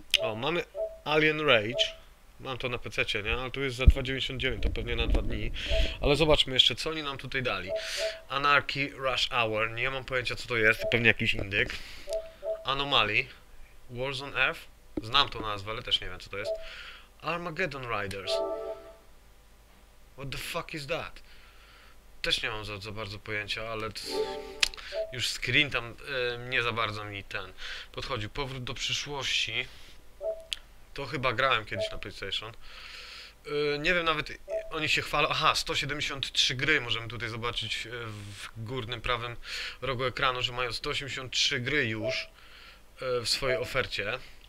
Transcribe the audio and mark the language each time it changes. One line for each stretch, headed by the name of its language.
Polish: O, mamy Alien Rage. Mam to na PC-cie, nie? Ale tu jest za 2,99, to pewnie na 2 dni. Ale zobaczmy jeszcze, co oni nam tutaj dali. Anarchy Rush Hour, nie mam pojęcia, co to jest, pewnie jakiś indyk. Anomaly, Wars on Earth, znam tą nazwę, ale też nie wiem, co to jest.
English: Armageddon Riders, what the fuck is that?
Polish: Też nie mam za bardzo pojęcia, ale już screen tam nie za bardzo mi ten podchodził. Powrót do przyszłości. To chyba grałem kiedyś na PlayStation. Nie wiem nawet, oni się chwalą. Aha, 173 gry możemy tutaj zobaczyć w górnym prawym rogu ekranu, że mają 183 gry już w swojej ofercie.